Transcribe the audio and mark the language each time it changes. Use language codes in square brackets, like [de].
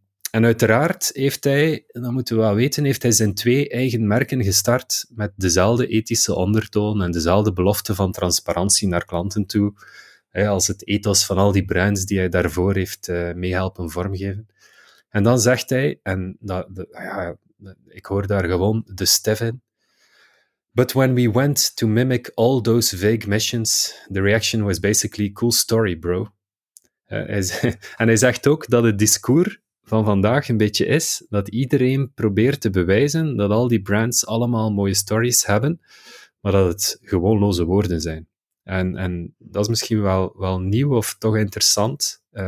[nl] En uiteraard heeft hij, dat moeten we wel weten, heeft hij zijn twee eigen merken gestart met dezelfde ethische ondertoon en dezelfde belofte van transparantie naar klanten toe. Hè, als het ethos van al die brands die hij daarvoor heeft meehelpen vormgeven. En dan zegt hij, en dat... ik hoor daar gewoon de Steven. [en] But when we went to mimic all those vague missions, the reaction was basically cool story, bro. [nl] En hij zegt ook dat het discours van vandaag een beetje is dat iedereen probeert te bewijzen dat al die brands allemaal mooie stories hebben, maar dat het gewoon loze woorden zijn. En dat is misschien wel nieuw of toch interessant.